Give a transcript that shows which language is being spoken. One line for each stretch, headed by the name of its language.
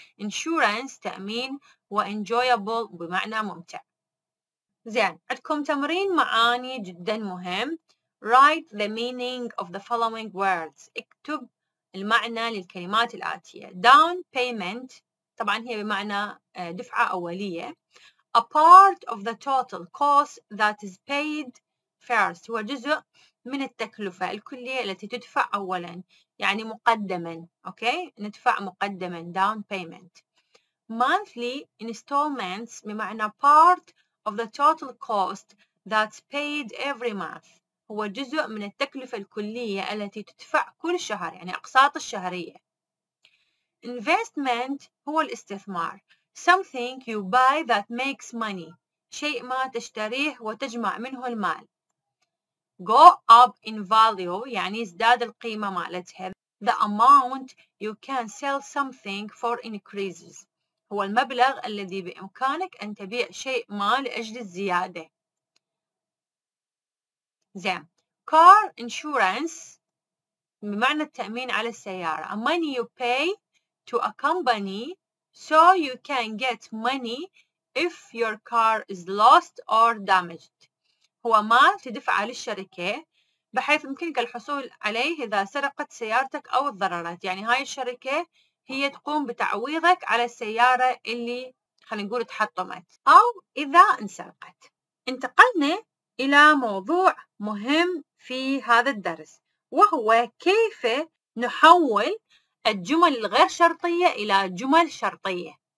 Arabic: Insurance تأمين. وEnjoyable بمعنى ممتع. زين، عندكم تمرين معاني جدا مهم.
English: Write the meaning of the following words.
Arabic: اكتب المعنى للكلمات الآتية. Down payment طبعا هي بمعنى دفعة أولية.
English: A part of the total cost that is paid first.
Arabic: هو جزء من التكلفة الكلية التي تدفع أولا، يعني مقدما. أوكي، ندفع مقدما. Down payment.
English: Monthly installments بمعنى part of the total cost that's paid every month.
Arabic: هو جزء من التكلفة الكلية التي تدفع كل شهر، يعني أقساط الشهرية. Investment هو الاستثمار.
English: Something you buy that makes money.
Arabic: شيء ما تشتريه وتجمع منه المال.
English: Go up in value
Arabic: يعني ازداد القيمة مالتها.
English: The amount you can sell something for increases.
Arabic: هو المبلغ الذي بإمكانك أن تبيع شيء ما لأجل الزيادة. زين، car insurance بمعنى التأمين على السيارة.
English: A money you pay to a company so you can get money if your car is lost or damaged.
Arabic: هو مال تدفعه للشركة بحيث يمكنك الحصول عليه إذا سرقت سيارتك أو تضررت. يعني هاي الشركة هي تقوم بتعويضك على السيارة اللي خلينا نقول تحطمت أو إذا انسرقت. انتقلنا إلى موضوع مهم في هذا الدرس، وهو كيف نحول الجمل الغير شرطية إلى جمل شرطية.